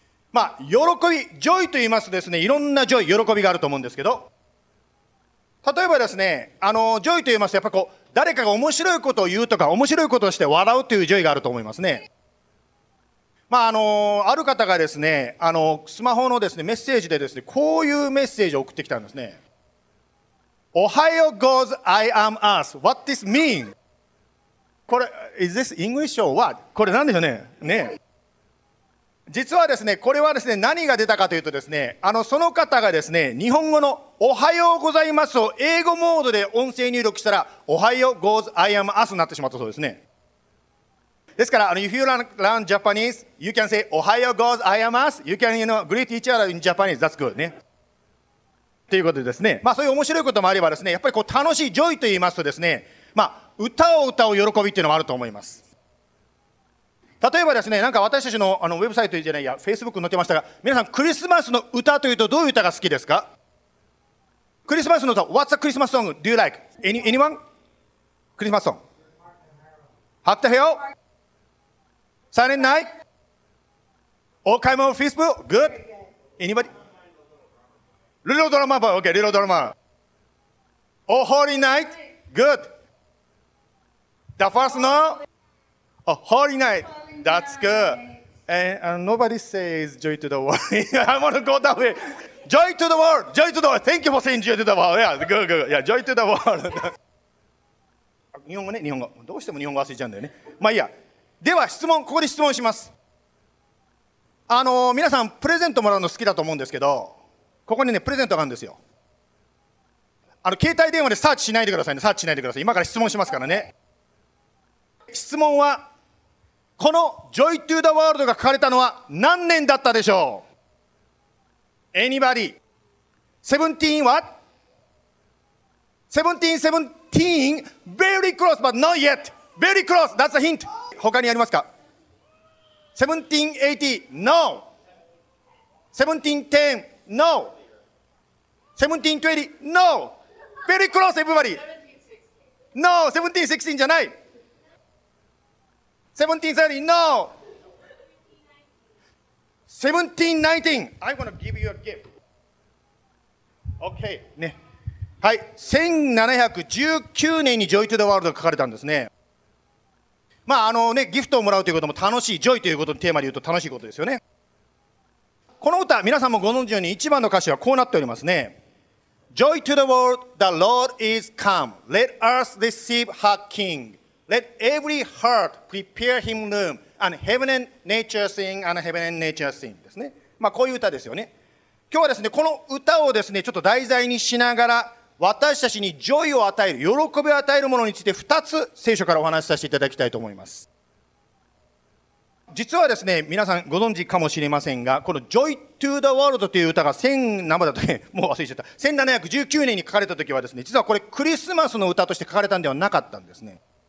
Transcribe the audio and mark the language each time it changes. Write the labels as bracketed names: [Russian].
[Japanese] まあ、喜び、ジョイと言いますとですね、いろんなジョイ、喜びがあると思うんですけど、例えばですね、ジョイと言いますと、やっぱこう、誰かが面白いことを言うとか、面白いことをして笑うというジョイがあると思いますね。まあ、ある方がですね、スマホのですね、メッセージでですね、こういうメッセージを送ってきたんですね。おはよう、God's I am us. [English] What this mean? [Japanese] これ、 [English] is this English or what? [Japanese] これなんでしょうね。ね。実はですね、これはですね、何が出たかというとですね、その方がですね、日本語のおはようございますを英語モードで音声入力したら、おはよう、goes, I am us になってしまったそうですね。ですから、 [English] if you learn Japanese, you can say, おはよう、goes, I am us, you can, you know, greet each other in Japanese, that's good, ね。 [Japanese] ということでですね、まあそういう面白いこともあればですね、やっぱりこう楽しい、ジョイと言いますとですね、まあ、歌を歌う喜びっていうのもあると思います。例えばですね、なんか私たち のウェブサイトじゃないや、Facebook に載ってましたが、皆さんクリスマスの歌というとどういう歌が好きですか。クリスマスの歌、 [English] What's a Christmas song do you like? Anyone? クリスマスソング。Hark the Herald? Silent Night? All Kind of Facebook? Good? Anybody? Little Drama Boy? Okay, Little Drama. All Holy Night? Good? The First Snow? Oh, Holy Night? That's good. And nobody says joy to the world. I want to go that way. Joy to the world! Joy to the world! Thank you for saying joy to the world. Yeah, good, good. Yeah, joy to the world. [Japanese] 日本語ね、日本語。どうしても日本語忘れちゃうんだよね。まあいいや。では質問、ここで質問します。皆さん、プレゼントもらうの好きだと思うんですけど、ここにね、プレゼントがあるんですよ。携帯電話でサーチしないでくださいね、サーチしないでください。今から質問しますからね。質問は、この Joy to the World が書かれたのは何年だったでしょう ? [English] Anybody? 17 what? 17? Teen, very close, but not yet. Very close. That's a hint. [Japanese] 他にありますか？ [English] 1780, no. 1710, no. 1720, no. Very close, everybody. No, 1716 [Japanese] じゃない。 [English] 1730, no. 1719. I'm gonna give you a gift. Okay, ね。 [Japanese] はい、1719年に Joy to the World が書かれたんですね。まあね、ギフトをもらうということも楽しい、Joy ということのテーマで言うと楽しいことですよね。この歌、皆さんもご存知のように一番の歌詞はこうなっておりますね。 [English] Joy to the world, the Lord is come. Let us receive her King. Let every heart prepare him room. And heaven and nature sing, and heaven and nature sing [Japanese] ですね。まあこういう歌ですよね。今日はですね、この歌をですね、ちょっと題材にしながら私たちにジョイを与える、喜びを与えるものについて2つ聖書からお話しさせていただきたいと思います。実はですね、皆さんご存知かもしれませんが、この Joy to the World という歌が1719年に書かれた時はですね、実はこれクリスマスの歌として書かれたんではなかったんですね。